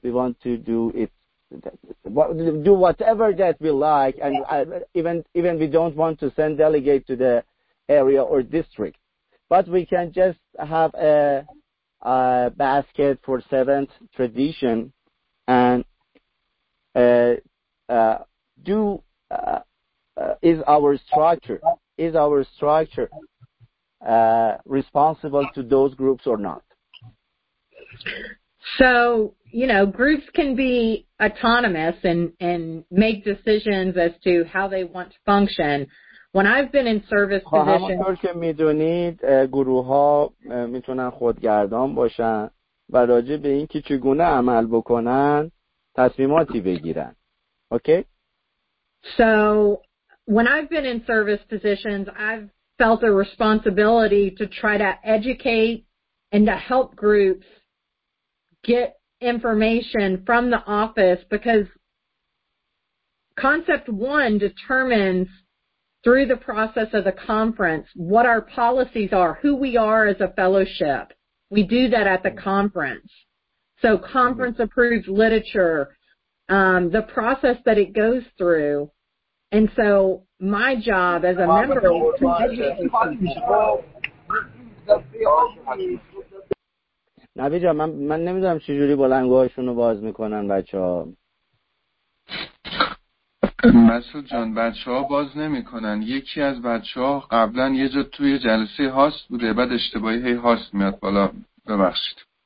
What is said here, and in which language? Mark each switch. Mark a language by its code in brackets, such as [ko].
[en] We want to do it, do whatever that we like, and even we don't want to send delegate to the area or district, but we can just have a basket for seventh tradition and do is our structure responsible to those groups or not? So, you know, groups can be autonomous and make decisions as to how they want to function. When I've been in service positions, [fa] همونطور که میدونید گروه ها میتونن خودگردان باشن و راجع به این که چگونه عمل بکنن تصمیماتی بگیرن. [en] Okay? So, when I've been in service positions, I've felt a responsibility to try to educate and to help groups get information from the office, because concept one determines through the process of the conference what our policies are, who we are as a fellowship. We do that at the conference. So conference approved literature, the process that it goes through. And so my job as a member is to educate. [fa] نوی جا من نمیدونم چجوری بلنگوهاشون رو باز میکنن بچه ها. مسعود جان بچه ها باز نمیکنن. یکی از بچه ها قبلا یه جا توی جلسه هاست بوده، بعد اشتباهی هی هاست میاد بالا. ببخشید.